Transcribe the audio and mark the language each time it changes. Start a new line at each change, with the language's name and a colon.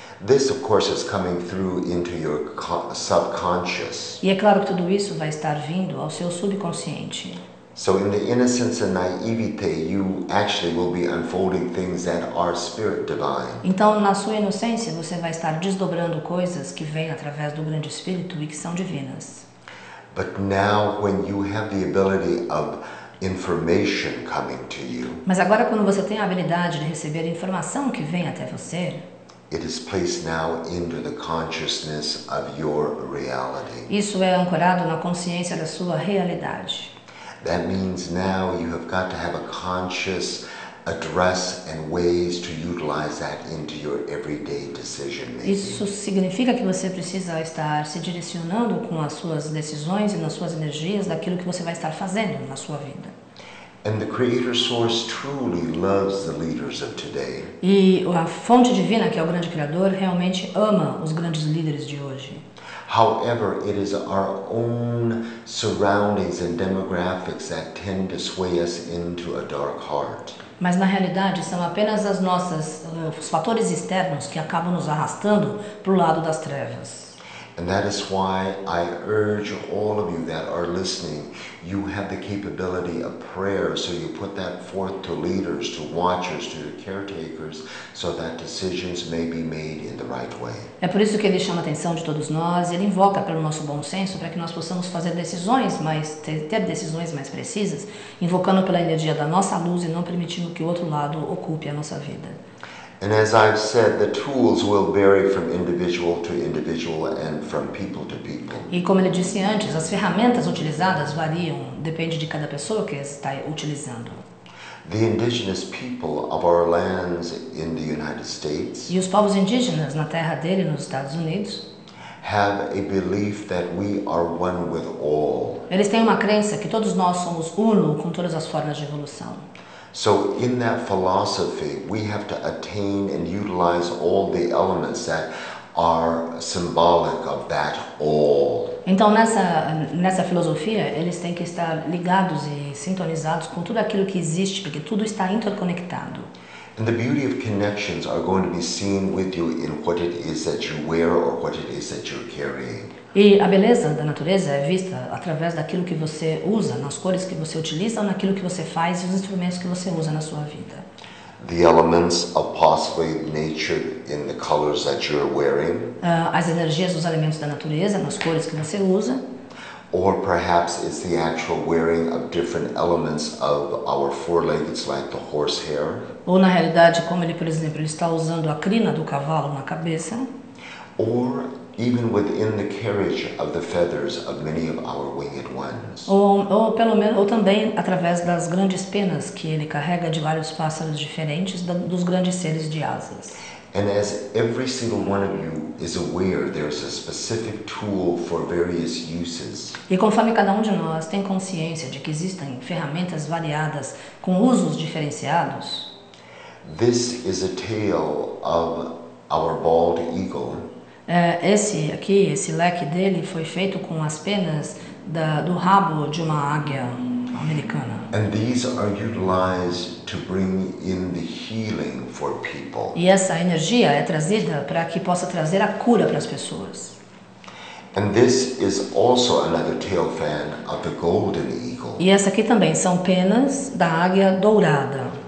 English: This, of course, is coming through into your subconscious.
Portuguese: E é claro que tudo isso vai estar vindo ao seu subconsciente.
English: So in the innocence and naivete, you actually will be unfolding things that are spirit divine.
Portuguese: Então, na sua inocência, você vai estar desdobrando coisas que vêm através do grande espírito e que são divinas.
English: But now, when you have the ability of information coming to you,
Portuguese: mas agora, quando você tem a habilidade de receber a informação que vem até você,
English: it is placed now into the consciousness of your reality.
Portuguese: Isso é ancorado na consciência da sua realidade.
English: That means now you have got to have a conscious address and ways to utilize that into your everyday decision making.
Portuguese: Isso significa que você precisa estar se direcionando com as suas decisões e nas suas energias daquilo que você vai estar fazendo na sua vida.
English: And the Creator Source truly loves the leaders of today.
Portuguese: E a fonte divina, que é o grande criador, realmente ama os grandes líderes de hoje.
English: However, it is our own surroundings and demographics that tend to sway us into a dark heart.
Portuguese: Mas na realidade são apenas as nossas os fatores externos que acabam nos arrastando para o lado das trevas.
English: And that is why I urge all of you that are listening, you have the capability of prayer, so you put that forth to leaders, to watchers, to your caretakers, so that decisions may be made in the right way.
Portuguese: É por isso que ele chama a atenção de todos nós, ele invoca pelo nosso bom senso para que nós possamos fazer decisões mais, ter decisões mais precisas, invocando pela energia da nossa luz e não permitindo que o outro lado ocupe a nossa vida.
English: And as I've said, the tools will vary from individual to individual and from people to people.
Portuguese: E como ele disse antes, as ferramentas utilizadas variam, depende de cada pessoa que está utilizando.
English: The indigenous people of our lands in the United States.
Portuguese: E os povos indígenas na terra dele nos Estados Unidos.
English: Have a belief that we are one with all.
Portuguese: Eles têm uma crença que todos nós somos uno com todas as formas de evolução.
English: So in that philosophy, we have to attain and utilize all the elements that are symbolic of that all.
Portuguese: Então nessa filosofia, eles têm que estar ligados e sintonizados com tudo aquilo que existe, porque tudo está interconectado.
English: And the beauty of connections are going to be seen with you in what it is that you wear or what it is that you're carrying.
Portuguese: E a beleza da natureza é vista através daquilo que você usa, nas cores que você utiliza, naquilo que você faz e os instrumentos que você usa na sua vida.
English: The elements of possibly nature in the colors that you're wearing.
Portuguese: As energias dos elementos da natureza nas cores que você usa.
English: Or perhaps it's the actual wearing of different elements of our four legs, like the horse hair.
Portuguese: Ou na realidade, como ele, por exemplo, ele está usando a crina do cavalo na cabeça.
English: Or even within the carriage of the feathers of many of our winged ones.
Portuguese: Ou também através das grandes penas que ele carrega de vários pássaros diferentes, dos grandes seres de asas.
English: And as every single one of you is aware, there's a specific tool for various uses.
Portuguese: E conforme cada um de nós tem consciência de que existem ferramentas variadas com usos diferenciados.
English: This is a tale of our bald eagle.
Portuguese: Esse aqui, esse leque dele, foi feito com as penas do rabo de uma águia americana.
English: And these are utilized to bring in the healing for people.
Portuguese: E essa energia é trazida para que possa trazer a cura para as pessoas.
English: And this is also another tail fan of the golden eagle.
Portuguese: E essa aqui também são penas da águia dourada.